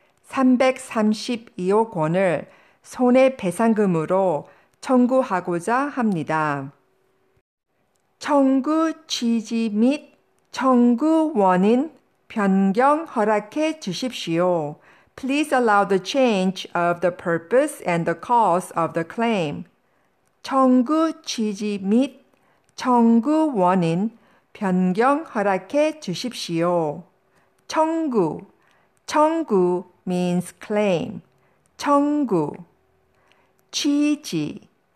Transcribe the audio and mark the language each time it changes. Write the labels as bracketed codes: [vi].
[ko] 332억 원을 손해배상금으로 청구하고자 합니다. 청구 취지 및 청구 원인 변경 허락해 주십시오. [en] Please allow the change of the purpose and the cause of the claim. [ko] 청구 취지 및 청구 원인 변경 허락해 주십시오. 청구. 청구 [en] means claim. [ko] 청구. 취지.